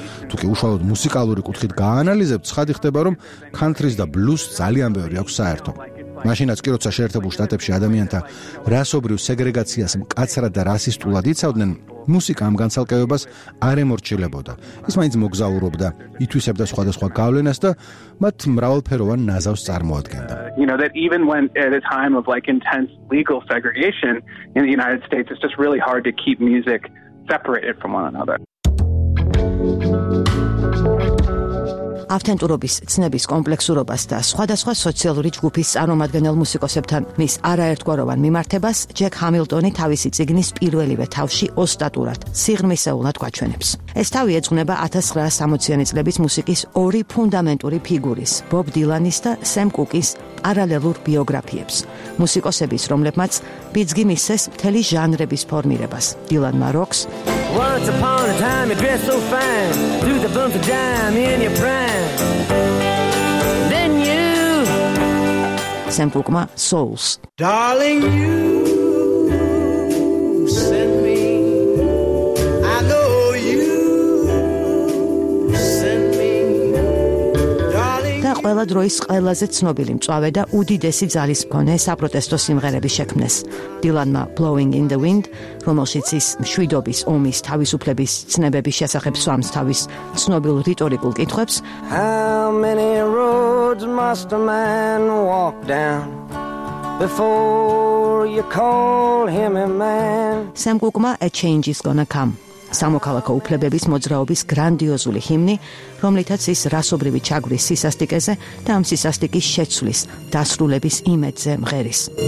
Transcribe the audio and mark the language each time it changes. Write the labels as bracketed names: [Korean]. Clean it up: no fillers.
[Georgian] თუკი უშუალოდ მუსიკალური კუთხით გაანალიზებთ, ხადი ხდება, რომ ქანთრის და ბლუს ძალიან ბევრი აქვს საერთო. მაშინაც კი, როცა შეერთებულ შტატებში ადამიანთა რასობრივ სეგრეგაციას მკაცრად და რასისტულად იცავდნენ, მუსიკა ამ განცალკევებას არ ემორჩილებოდა. ის მაინც მოგზაურობდა, ითვისებდა სხვადასხვა გავლენას და მათ მრავალფეროვან ნაზავს წარმოადგენდა. [English] You know that even when at a time of like intense legal segregation in the United States it's just really hard to keep music separated from one another. [Georgian] ავთენტურობის ცნების კომპლექსურობას და სხვადასხვა სოციალური ჯგუფის წარმომადგენელ მუსიკოსებთან მის არაერთგვაროვან მიმართებას ჯეკ ჰამილტონი თავისი წიგნის პირველივე თავში ოსტატურად, სიღრმისეულად გვაჩვენებს. ეს თავი ეძღვნება 1960-იანი წლების მუსიკის ორი ფუნდამენტური ფიგურის, ბობ დილანის და სემ კუკის პარალელურ ბიოგრაფიებს, მუსიკოსების, რომლებმაც ბიძგი მისცეს მთელი ჟანრების ფორმირებას. დილან მაროკს [English] Once upon a time you dressed so fine Threw the bump of dime in your prime Then you [Georgian] Sam Cooke-ma Souls [English] Darling you sent me I know you sent me Darling you [Georgian] ყველა დროის ყველაზე ცნობილი მწვავე და უდიდესი ძალის მქონე საპროტესტო სიმღერების შექმნეს. დილანმა Blowing in the Wind, რომელშიც ის მშვიდობის, ომის, თავისუფლების ცნებების შესახებ სვამს თავის ცნობილ რიტორიკულ კითხვებს. [English] How many roads must a man walk down before you call him a man? [Georgian] Sam Cooke-მა A Change is Gonna Come, სამოქალაქო უფლებების მოძრაობის გრანდიოზული ჰიმნი, რომლითაც ის რასობრივი ჩაგვრის სისასტიკეზე და ამ სისასტიკის შეცვლის, დასრულების იმედზე მღერის.